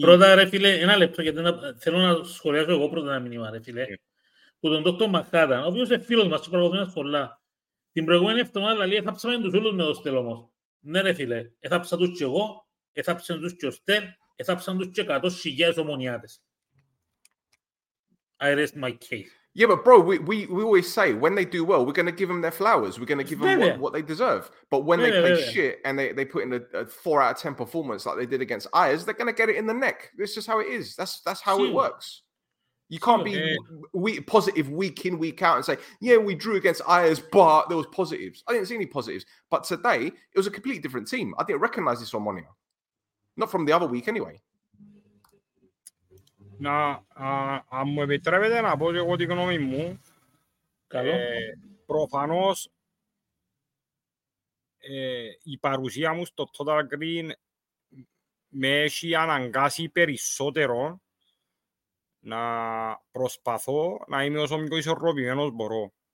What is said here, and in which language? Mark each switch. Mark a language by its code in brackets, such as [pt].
[el] Πρώτα, ρε φίλε, ένα λεπτό, γιατί θέλω να σχολιάσω εγώ πρώτα ένα μήνυμα, ρε φίλε. Που τον Δόκτωρ Μαχάταν, ο οποίος είναι φίλος μας, προβλήματος πολλά. Την προηγούμενη εβδομάδα, λέει, έθαψα τους όλους με το Στέλ όμως. Ναι, ρε φίλε, έθαψα τους και εγώ, έθαψα τους και ο Στέλ, έθαψα τους και 100.000 ομονιάτες. [en] I rest my case. Yeah, but bro, we always say when they do well, we're going to give them their flowers. We're going to give them what they deserve. But when they play shit and they put in a 4 out of 10 performance like they did against Ayers, they're going to get it in the neck. This is how it is. That's how it works. You can't be positive week in, week out and say, yeah, we drew against Ayers, but there was positives. I didn't see any positives. But today, it was a completely different team. I didn't recognize this one. Not from the other week anyway. [el] Να, αν μου επιτρέπετε να πω εγώ τη γνώμη μου, προφανώς η παρουσία μου στο Total Green με έχει αναγκάσει περισσότερο να προσπαθώ να είμαι όσο μικρό ισορροπημένος μπορώ.